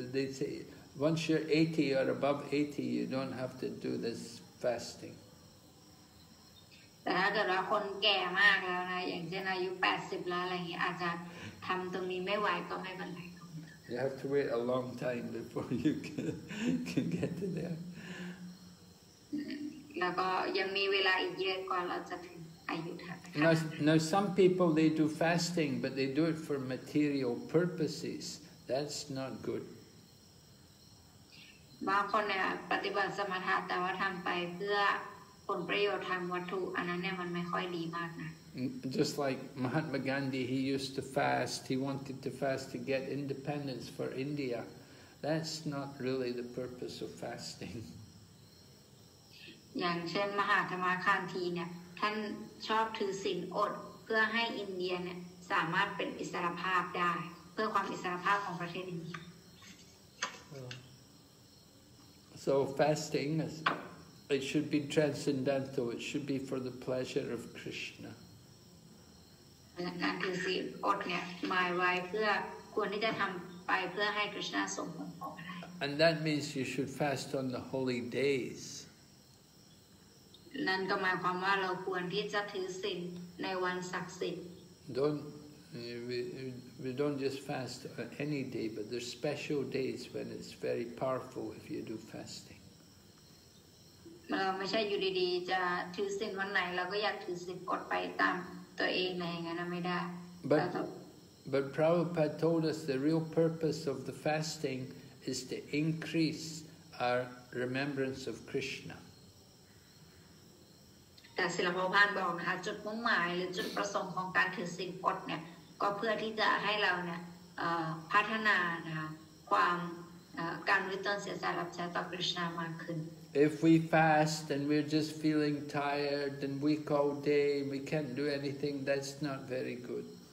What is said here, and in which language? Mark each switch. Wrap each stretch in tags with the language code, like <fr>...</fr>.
<en>They say once you're 80 or above 80, you don't have to do this fasting.</en> <th>แต่ถ้าเกิดว่าคนแก่มากแล้วนะอย่างเช่นอายุ80แล้วอะไรอย่างเงี้ยอาจจะทำตรงนี้ไม่ไหวก็ไม่เป็นไร</th> <en>You have to wait a long time before you can get to there</en> <th>แล้วก็ยังมีเวลาอีกเยอะกว่าเราจะถึงอายุ</th> <en>ถัด Now some people they do fasting but they do it for material purposes that's not good</en> <th>บางคนเนี่ยปฏิบัติสมถะแต่ว่าทำไปเพื่อผลประโยชน์ทางวัตถุอันนั้นเนี่ยมันไม่ค่อยดีมากนะ</th> <en>Just like Mahatma Gandhi he used to fast he wanted to fast to get independence for India that's not really the purpose of fasting</en> <th>อย่างเช่นมหาธมาคานธีเนี่ยท่านชอบถือศีลอดเพื่อให้อินเดียเนี่ยสามารถเป็นอิสรภาพได้เพื่อความอิสรภาพของประเทศอินเดีย</th> <en>So fasting isIt should be transcendental. It should be for the pleasure of Krishna. And that means you should fast on the holy days. We don't just fast on any day, but there's special days when it's very powerful if you do fasting.</en> <th>เราไม่ใช่อยู่ดีๆจะถือศีลวันไหนเราก็อยากถือศีลกดไปตามตัวเองอะไรเงี้ยนะไม่ได้</th> <en>but Prabhupada told us the real purpose of the fasting is to increase are remembrance of Krishna. If we fast and we're just feeling tired and weak all day, we can't do anything, that's not very good.</en>